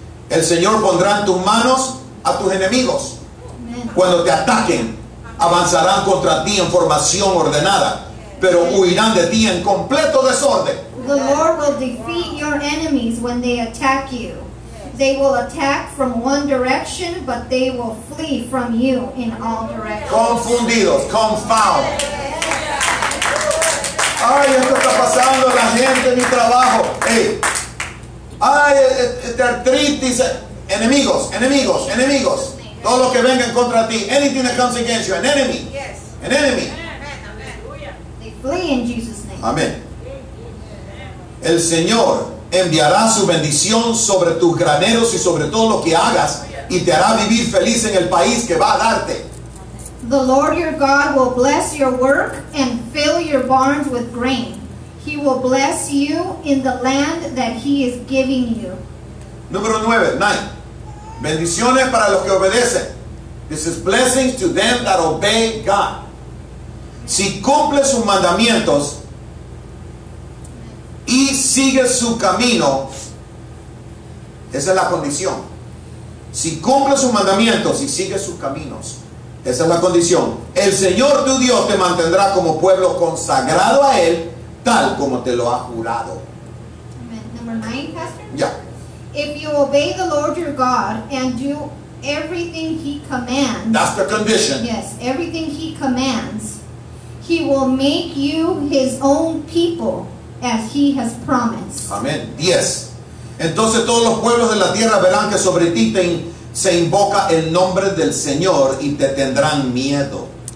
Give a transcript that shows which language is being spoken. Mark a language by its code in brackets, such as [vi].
[es] El Señor pondrá en tus manos a tus enemigos. Amen. Cuando te ataquen, avanzarán contra ti en formación ordenada, pero huirán de ti en completo desorden. [en] The Lord will defeat your enemies when they attack you. They will attack from one direction, but they will flee from you in all directions. [es] Confundidos, [en] confound. [es] Ay, esto está pasando, la gente, mi trabajo. Hey. Ay, este artritis. Enemigos. Todo lo que venga en contra de ti. [en] Anything that comes against you. An enemy. They flee in Jesus' name. [es] Amén. El Señor enviará su bendición sobre tus graneros y sobre todo lo que hagas y te hará vivir feliz en el país que va a darte. [en] The Lord your God will bless your work and fill your barns with grain. He will bless you in the land that he is giving you. [es] Número 9. Bendiciones para los que obedecen. [en] This is blessings to them that obey God. [es] Si cumple sus mandamientos y sigue su camino, esa es la condición. Si cumple sus mandamientos y sigue sus caminos, esa es la condición. El Señor tu Dios te mantendrá como pueblo consagrado a Él, tal como te lo ha jurado. [en] Number 9, Pastor. Yeah. If you obey the Lord your God and do everything He commands, that's the condition. Yes, everything He commands, He will make you His own people as He has promised. Amen. 10. [es] Entonces todos los pueblos de la tierra verán que sobre ti se invoca el nombre del Señor y te tendrán miedo.